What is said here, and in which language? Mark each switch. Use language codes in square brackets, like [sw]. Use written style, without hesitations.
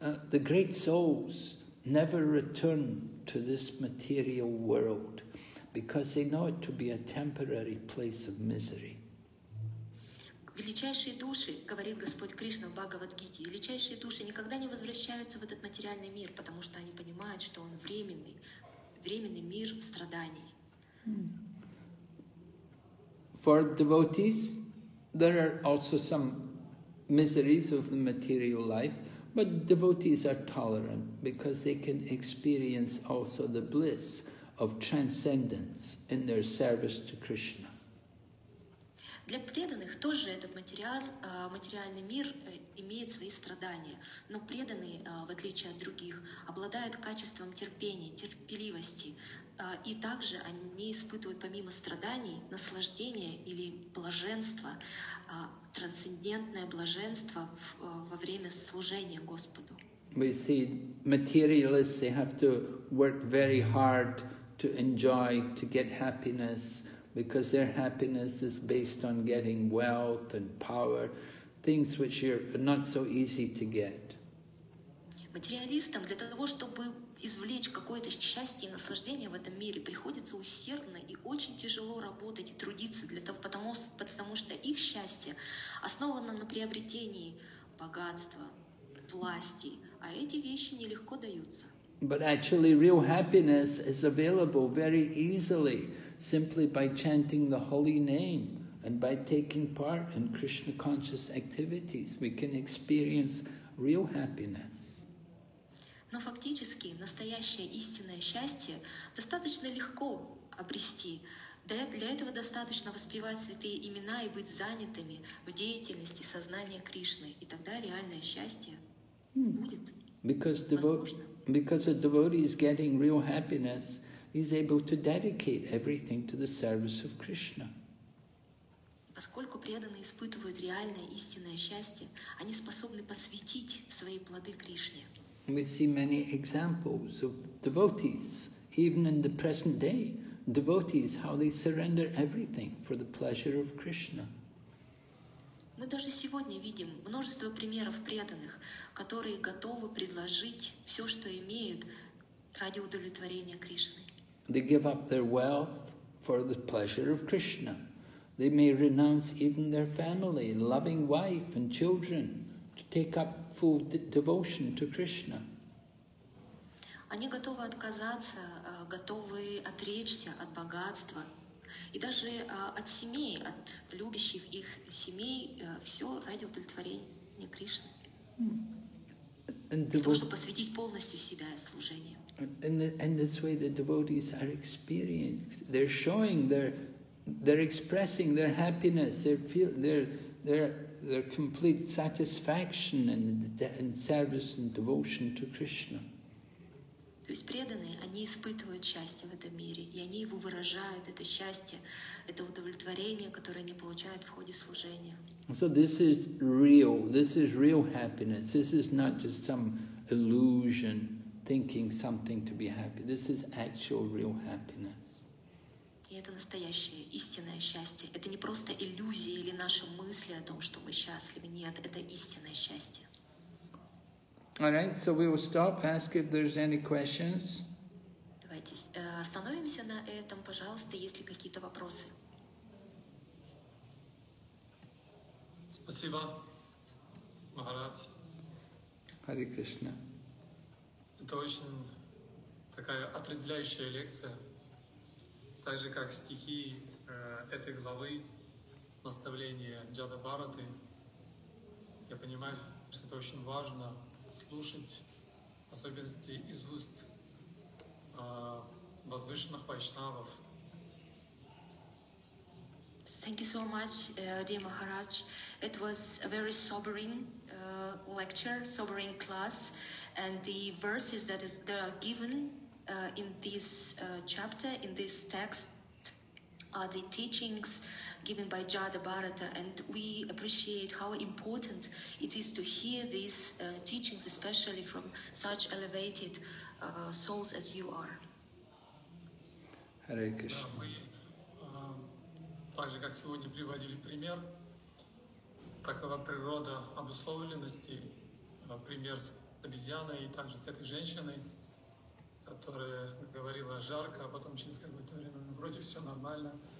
[en] The great souls never return to this material world because they know it to be a temporary place of misery. [ru] Величайшие души, говорит Господь Кришна в Бхагавад-гите, величайшие души никогда не возвращаются в этот материальный мир, потому что они понимают, что он временный мир страданий. [en] For devotees, there are also some miseries of the material life, but devotees are tolerant because they can experience also the bliss of transcendence in their service to Krishna. [ru] Для преданных тоже этот материальный мир имеет свои страдания, но преданные, в отличие от других, обладают качеством терпения, терпеливости, и также они испытывают помимо страданий наслаждение или блаженство, трансцендентное блаженство во время служения Господу. [en] We see materialists, they have to work very hard to enjoy, to get happiness, because their happiness is based on getting wealth and power, things which are not so easy to get. [ru] Материалистам для того, чтобы извлечь какое-то счастье и наслаждение в этом мире, приходится усердно и очень тяжело работать и трудиться для того, потому что их счастье основано на приобретении богатства, власти, а эти вещи нелегко даются. [en] But actually real happiness is available very easily simply by chanting the holy name and by taking part in Krishna conscious activities. We can experience real happiness. [ru] Но фактически настоящее истинное счастье достаточно легко обрести. Для этого достаточно воспевать святые имена и быть занятыми в деятельности сознания Кришны, и тогда реальное счастье будет. [en] Because a devotee is getting real happiness, he's able to dedicate everything to the service of Krishna. [ru] Поскольку преданные испытывают реальное истинное счастье, они способны посвятить свои плоды Кришне. [en] We see many examples of devotees, even in the present day, devotees, how they surrender everything for the pleasure of Krishna. [ru] Мы даже сегодня видим множество примеров преданных, которые готовы предложить все, что имеют, ради удовлетворения Кришны. [en] They give up their wealth for the pleasure of Krishna. They may renounce even their family, loving wife and children, to take up full devotion to Krishna. [ru] Они готовы отказаться, готовы отречься от богатства и даже от семей, от любящих их семей, все ради удовлетворения служение Кришне. Для того, чтобы посвятить полностью себя служению. [en] And this way the devotees are experienced. They're showing they're expressing their happiness, their complete satisfaction and service and devotion to Krishna. [ru] То есть преданные, они испытывают счастье в этом мире, и они его выражают, это счастье, это удовлетворение, которое они получают в ходе служения. [en] So this is real happiness. This is not just some illusion, thinking something to be happy. This is actual real happiness. [ru] И это настоящее, истинное счастье. Это не просто иллюзия или наши мысли о том, что мы счастливы. Нет, это истинное счастье. [en] All right, so we will stop, ask if there's any questions. [ru] Давайте остановимся на этом, пожалуйста, есть ли какие-то вопросы. Спасибо, Махарадж. [sa] Hare Krishna. [ru] Это очень такая отрезвляющая лекция. Так же, как стихи этой главы, наставления Джада Бхараты. Я понимаю, что это очень важно. Слушать особенности из уст возвышенных вайшнавов. [en] Thank you so much, dear Maharaj. It was a very sobering lecture, sobering class, and the verses that are given in this chapter, in this text, are the teachings given by Jada Bharata, and we appreciate how important it is to hear these teachings, especially from such elevated souls as you are. [sa] Hare Krishna. [ru] Да, мы, так же, как сегодня приводили пример, такова природа обусловленности, пример с обезьяной и также с этой женщиной, которая говорила жарко, а потом через какое-то время вроде все нормально.